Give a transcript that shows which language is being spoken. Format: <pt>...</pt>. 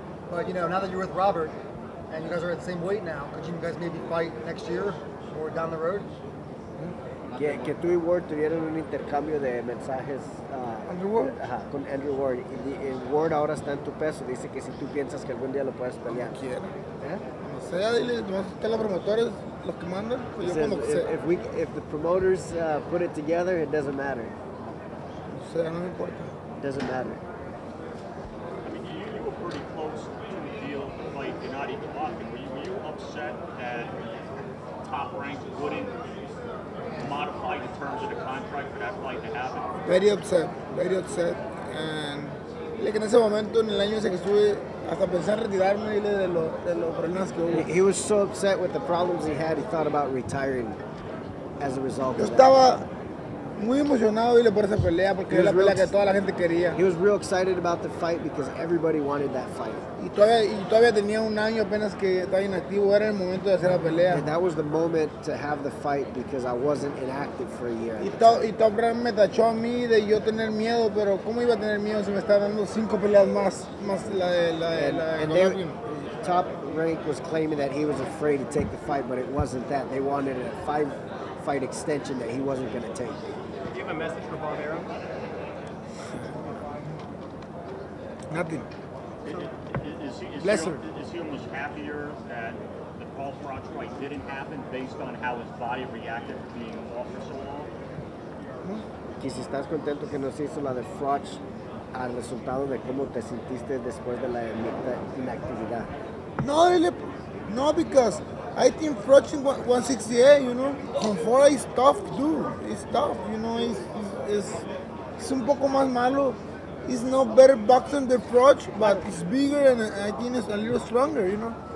<en>But, you know, now that you're with Robert and you guys are at the same weight now, could you guys maybe fight next year or down the road?</en> <es>Que tú y Ward tuvieron un intercambio de mensajes. Andrew Ward? Con Andrew Ward. Y Ward ahora está en tu peso. Dice que si tú piensas que algún día lo puedes pelear. Como quiera. Como sea, dile, nomás están los promotores los que mandan. Pues yo cuando sea.</es> <en>If the promoters put it together, it doesn't matter. It doesn't matter. I mean, you were pretty close to the deal, fight Gennady Golovkin. Were you upset that Top Rank wouldn't modify the terms of the contract for that fight to happen? Very upset. And like in</en> <es>ese momento en el año ese que estuve hasta pensé en retirarme de los problemas que hubo.</es> <en>He was so upset with the problems he had, he thought about retiring as a result of that.</en> <es>Muy emocionado y le por esa pelea porque era la pelea que toda la gente quería.</es> <en>He was real excited about the fight because everybody wanted that fight.</en> <es>Y todavía tenía un año apenas que estaba inactivo, era el momento de hacer la pelea.</es> <en>And that was the moment to have the fight because I wasn't inactive for a year.</en> <es>Y Top Rank me tachó a mí de yo tener miedo, pero ¿cómo iba a tener miedo si me estaba dando cinco peleas más la de</es> <en>Top Rank was claiming that he was afraid to take the fight, but it wasn't that. They wanted a five fight extension that he wasn't going to take. Message for Barbera? Nothing. Is he almost happier that the Paul Frotch fight didn't happen based on how his body reacted to being off for so long?</en> <es>Que si estás contento que no se hizo la de Frotch al resultado de cómo te sintiste después de la inactividad?</es> <en>No, because I think Frotch in 168, you know, Confora is tough, dude. It's tough, you know. It's</en> <es>un poco más malo.</es> <en>It's no better boxing than Frotch, but it's bigger and I think it's a little stronger, you know.</en>